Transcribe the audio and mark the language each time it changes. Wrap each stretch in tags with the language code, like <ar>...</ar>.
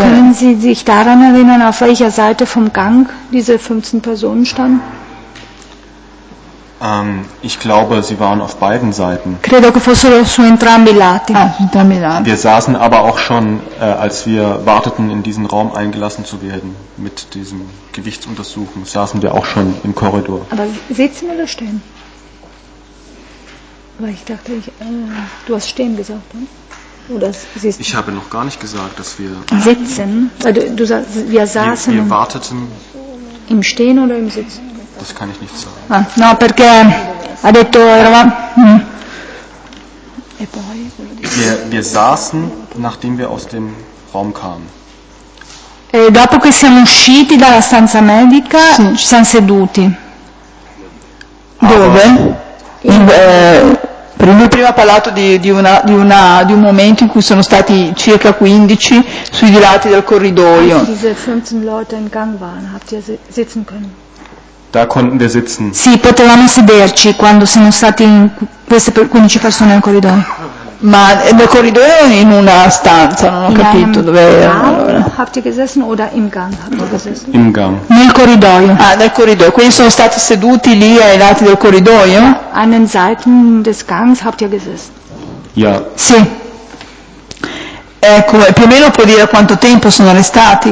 <de>Können Sie sich daran erinnern, auf welcher Seite vom Gang diese 15 Personen standen? Ich glaube, sie waren auf beiden Seiten.</de> <it>Credo che fossero su entrambi i lati. Ah, entrambi i lati.</it> <de>Wir saßen aber auch schon, als wir warteten, in diesen Raum eingelassen zu werden, mit diesem Gewichtsuntersuchen, saßen wir auch schon im Korridor. Aber sitzen oder stehen? Weil ich dachte, du hast stehen gesagt, oder? Oder siehst du? Ich habe noch gar nicht gesagt, dass wir... Sitzen? Wir saßen... Wir warteten... Im Stehen oder im Sitzen? Das kann ich nicht sagen.</de> <it>Ah, no, perché ha detto eravamo.</it> <de>Wir saßen, nachdem wir aus dem Raum kamen.</de> <it>E dopo che siamo usciti dalla stanza medica, ci siamo seduti. Dove? Prima ha parlato di un momento in cui sono stati circa 15 sui lati del corridoio.</it> <de>Diese 15 Leute in Gang waren, habt ihr sitzen können? Da konnten wir sitzen.</de> <it>Sì, potevamo sederci quando siamo stati queste 15 persone nel corridoio. Ma nel corridoio in una stanza, non ho capito dove era.</it> <de>Habt ihr gesessen oder im Gang? Im Gang.</de> <it>Nel corridoio. Ah, nel corridoio. Quindi sono stati seduti lì ai lati del corridoio?</it> <de>An den Seiten des Gangs habt ihr gesessen. Ja.</de> <it>Sì. Ecco, più o meno può dire quanto tempo sono restati.</it>